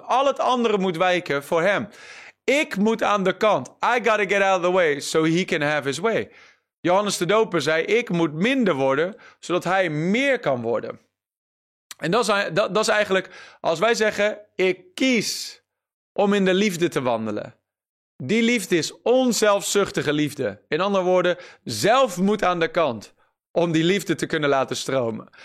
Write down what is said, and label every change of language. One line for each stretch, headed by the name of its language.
Dutch: Al het andere moet wijken voor hem. Ik moet aan de kant.
English: I gotta get out of the way so he can have his way.
Dutch: Johannes de Doper zei, ik moet minder worden, zodat hij meer kan worden. En dat is eigenlijk, als wij zeggen, ik kies om in de liefde te wandelen. Die liefde is onzelfzuchtige liefde. In andere woorden, zelf moet aan de kant om die liefde te kunnen laten stromen.